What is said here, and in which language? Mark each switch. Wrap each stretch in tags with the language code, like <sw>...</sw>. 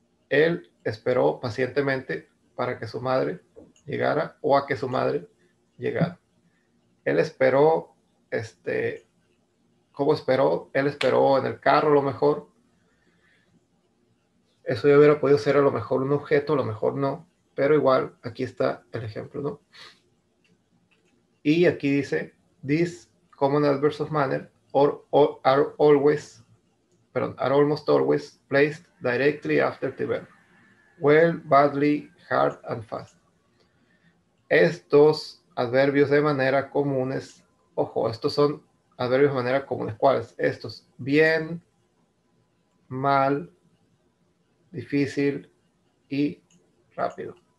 <es>Él esperó pacientemente para que su madre llegara o a que su madre llegara. Él esperó ¿Cómo esperó? Él esperó en el carro a lo mejor. Eso ya hubiera podido ser a lo mejor un objeto, a lo mejor no. Pero igual, aquí está el ejemplo, ¿no? Y aquí dice,</es> <en>these common adverbs of manner are almost always placed directly after the verb. Well, badly, hard and fast.</en> <es>Estos adverbios de manera comunes, ojo, estos son adverbios de manera comunes. ¿Cuáles? Estos, bien, mal, difícil y rápido.</es>